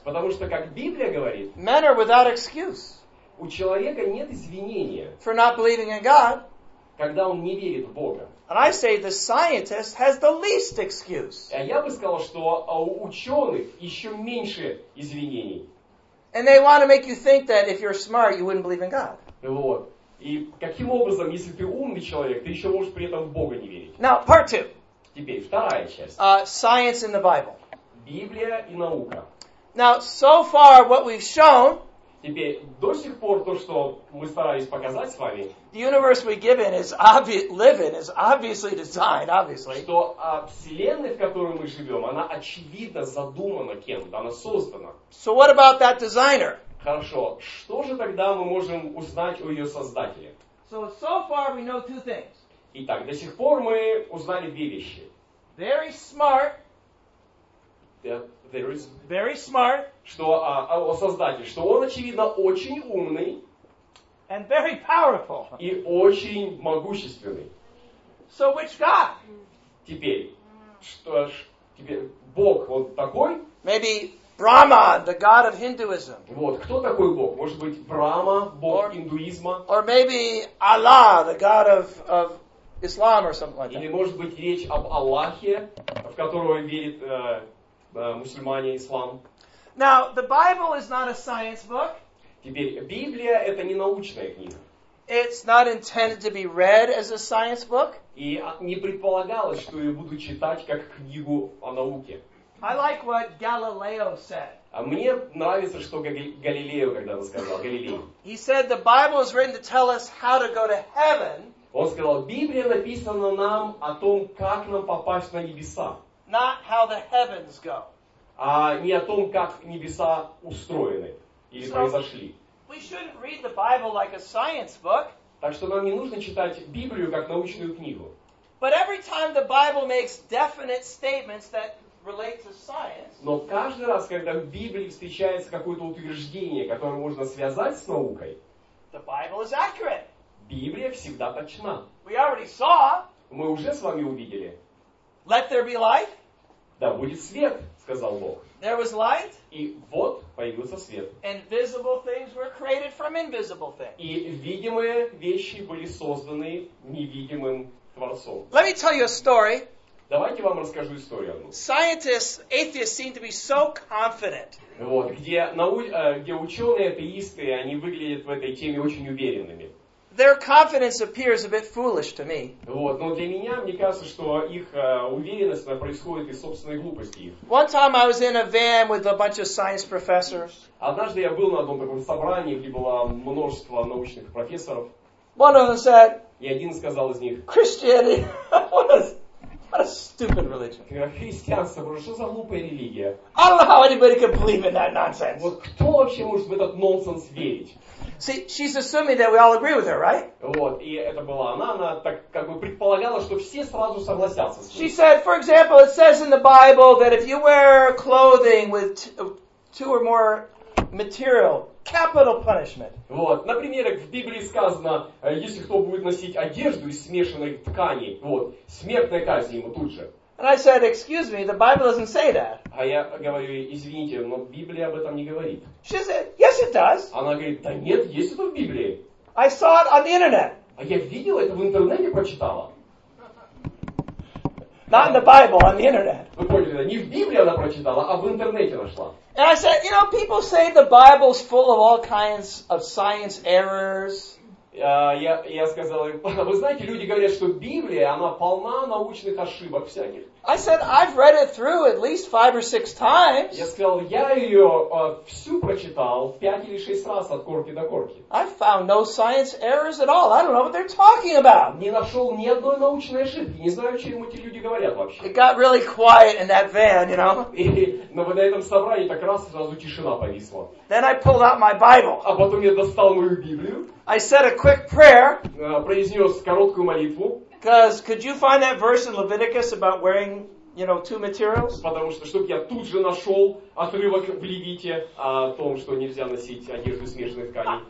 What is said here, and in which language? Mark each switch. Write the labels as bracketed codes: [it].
[ru] потому что, как Библия говорит, [en] men are without excuse. [ru] У человека нет извинения. [en] For not believing in God. [ru] Когда он не верит в Бога. [en] And I say the scientist has the least excuse. [ru] А я бы сказал, что у ученых еще меньше извинений. [en] And they want to make you think that if you're smart, you wouldn't believe in God. [ru] Вот. И каким образом, если ты умный человек, ты еще можешь при этом в Бога не верить? [en] Now, part two. [ru] Теперь вторая часть. [en] Science in the Bible. [ru] Библия и наука. [en] Now, so far, what we've shown. [ru] Теперь, до сих пор то, что мы старались показать с вами. [en] The universe we live in is obviously designed, obviously. [ru] Что Вселенная, в которой мы живем, она очевидно задумана кем-то, она создана. [en] So what about that designer? [ru] Хорошо, что же тогда мы можем узнать о ее создателе? [en] So far we know two things. [ru] Итак, до сих пор мы узнали две вещи. [en] Very smart. Yeah, is... Very smart. [ru] Что о создателе, что он, очевидно, очень умный. [en] And very powerful. [ru] И очень могущественный. [en] So which God? [ru] Теперь, что ж, теперь, Бог, он такой? [en] Maybe Brahma, the God of Hinduism. [ru] Вот, кто такой Бог? Может быть, Брама, Бог индуизма? [en] Or maybe Allah, the God of Islam or something like that. [ru] Или, может быть, речь об Аллахе, в которого верит мусульмане, ислам. [en] Now, the Bible is not a science book. [ru] Теперь, Библия – это не научная книга. [en] It's not intended to be read as a science book. [ru] И не предполагалось, что я буду читать как книгу о науке. [en] I like what Galileo said. [ru] А мне нравится, что Галилео когда-то сказал, Галилей. [en] He said, the Bible is written to tell us how to go to heaven. [ru] Он сказал, Библия написана нам о том, как нам попасть на небеса. [en] Not how the heavens go. [ru] А не о том, как небеса устроены или [en] so, [ru] произошли. [en] We shouldn't read the Bible like a science book. [ru] Так что нам не нужно читать Библию как научную книгу. [en] But every time the Bible makes definite statements that relate to science. [ru] Но каждый раз, когда в Библии встречается какое-то утверждение, которое можно связать с наукой, [en] the Bible is accurate. [ru] Библия всегда точна. [en] We already saw. [ru] Мы уже с вами увидели. [en] Let there be light. [ru] Да будет свет, сказал Бог. [en] There was light. [ru] И вот появился свет. [en] And visible things were created from invisible things. [ru] И видимые вещи были созданы невидимым творцом. [en] Let me tell you a story. [ru] Давайте вам расскажу историю одну. [en] Scientists, atheists seem to be so confident. [ru] Вот, где ученые, атеисты, они выглядят в этой теме очень уверенными. [en] Their confidence appears a bit foolish to me. [ru] Вот, но для меня, мне кажется, что их уверенность происходит из собственной глупости. [en] One time I was in a van with a bunch of science professors. [ru] Однажды я был на одном таком собрании, где было множество научных профессоров. [en] One of them said, [ru] и один сказал из них, [en] Christianity, what a stupid religion. [ru] Христианство, боже, что за глупая религия? [en] I don't know how anybody can believe in that nonsense. [ru] Вот кто вообще может в этот нонсенс верить? [en] See, she's assuming that we all agree with her, right? [ru] Вот, и это была она так как бы предполагала, что все сразу согласятся с ней. [en] She said, for example, it says in the Bible that if you wear clothing with two or more material, capital punishment. [ru] Вот, например, в Библии сказано, если кто будет носить одежду из смешанной ткани, вот, смертная казнь ему тут же. [en] And I said, excuse me, the Bible doesn't say that. [ru] А я говорю, извините, но Библия об этом не говорит. [en] She said, yes, it does. [ru] Она говорит, да нет, есть это в Библии. [en] I saw it on the internet. [ru] А я видел это в интернете, почитала. [en] Not in the Bible, on the internet. [ru] Вы поняли, да? Не в Библии она прочитала, а в интернете нашла. [en] And I said, you know, people say the Bible's full of all kinds of science errors. [ru] Я сказал, вы знаете, люди говорят, что Библия, она полна научных ошибок всяких. [en] I said, I've read it through at least 5 or 6 times. [ru] Я сказал, я ее всю прочитал 5 или 6 раз от корки до корки. [en] I found no science errors at all. I don't know what they're talking about. [ru] Не нашел ни одной научной ошибки. Не знаю, о чем эти люди говорят вообще. [en] It got really quiet in that van, you know. [ru] Но вот на этом собрании так раз сразу тишина повисла. [en] Then I pulled out my Bible. [ru] А потом я достал мою Библию. [en] I said a quick prayer. [ru] Произнес короткую молитву. [en] Because could you find that verse in Leviticus about wearing, you know, two materials? [ru] Потому что, чтобы я тут же нашел отрывок в Левите о том, что нельзя носить одежду смешанных тканей.